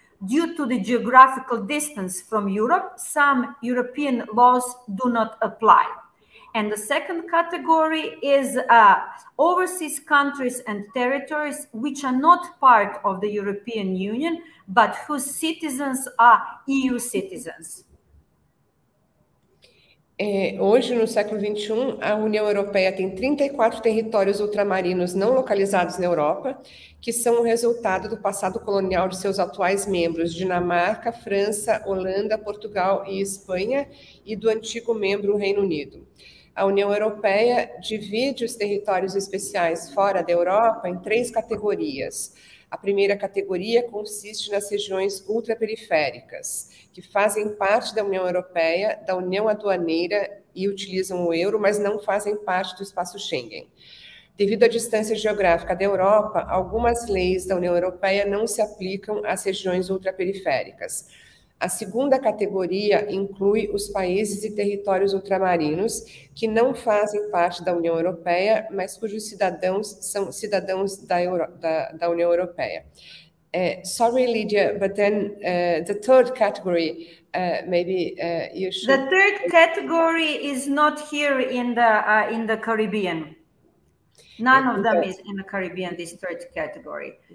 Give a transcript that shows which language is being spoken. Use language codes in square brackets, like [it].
[en] Due to the geographical distance from Europe, some European laws do not apply. And the second category is overseas countries and territories which are not part of the European Union, but whose citizens are EU citizens. [pt] Hoje, no século XXI, a União Europeia tem 34 territórios ultramarinos não localizados na Europa, que são o resultado do passado colonial de seus atuais membros, Dinamarca, França, Holanda, Portugal e Espanha, e do antigo membro Reino Unido. A União Europeia divide os territórios especiais fora da Europa em três categorias. A primeira categoria consiste nas regiões ultraperiféricas, que fazem parte da União Europeia, da União Aduaneira e utilizam o euro, mas não fazem parte do espaço Schengen. Devido à distância geográfica da Europa, algumas leis da União Europeia não se aplicam às regiões ultraperiféricas. A segunda categoria inclui os países e territórios ultramarinos que não fazem parte da União Europeia, mas cujos cidadãos são cidadãos da União Europeia. [en] Sorry, Lydia, but then the third category, maybe you should... The third category is not here in the Caribbean. None of them is in the Caribbean, this third category.